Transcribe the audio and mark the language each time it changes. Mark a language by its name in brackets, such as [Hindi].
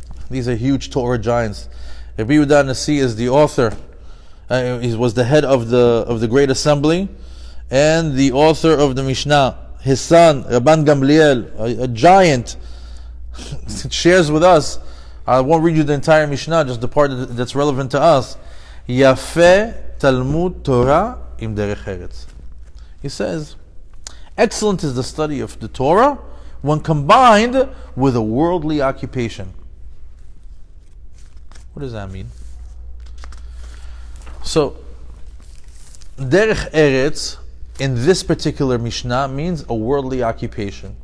[English] These are huge Torah giants. Rabbi Yehuda Nasi is the author. He was the head of the Great Assembly and the author of the Mishnah. His son, Rabban Gamliel, a giant, shares with us. I won't read you the entire Mishnah, just the part that's relevant to us. [Hebrew] יפה תלמוד תורה עם דרך ארץ. [English] He says, excellent is the study of the Torah when combined with a worldly occupation. What does that mean? So, derech eretz in this particular Mishnah means a worldly occupation.